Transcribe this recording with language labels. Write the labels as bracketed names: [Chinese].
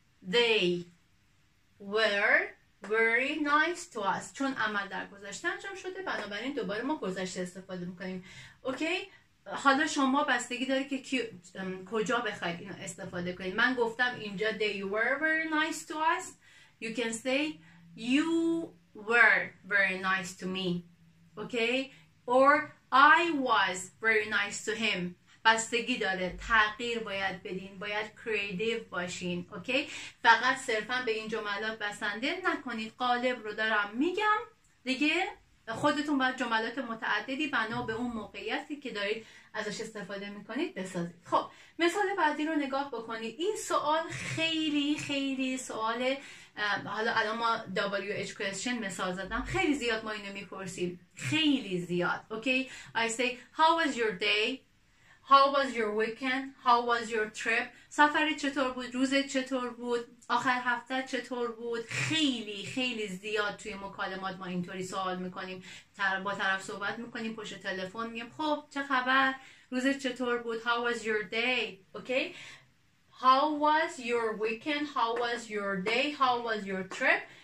[English] They were very nice to us. [Persian] چون عمل در گذشته انجام شده بنابراین دوباره ما گذشته استفاده میکنیم. اوکی حالا شما بستگی داره که کجا بخواید اینو استفاده کنید. من گفتم اینجا [English] they were very nice to us. You can say you were very nice to me. Okay or I was very nice to him. [Persian] بستگی داره، تغییر باید بدین، باید creative باشین. اوکی فقط صرفا به این جملات بسنده نکنید. قالب رو دارم میگم دیگه، خودتون باید جملات متعددی بنا به اون موقعیتی که دارید ازش استفاده میکنید بسازید. خب مثال بعدی رو نگاه بکنید. این سوال خیلی خیلی سوال، حالا الان ما WH question مثال زدم، خیلی زیاد ما اینو میپرسیم، خیلی زیاد. [English] Okay I say how was your day, how was your weekend, how was your trip. [Persian] سفرت چطور بود، روزت چطور بود، آخر هفته چطور بود. خیلی خیلی زیاد توی مکالمات ما اینطوری سوال میکنیم، با طرف صحبت میکنیم پشت تلفن، میگیم خب چه خبر، روزت چطور بود، [English] how was your day. okay how was your weekend, how was your day, how was your trip.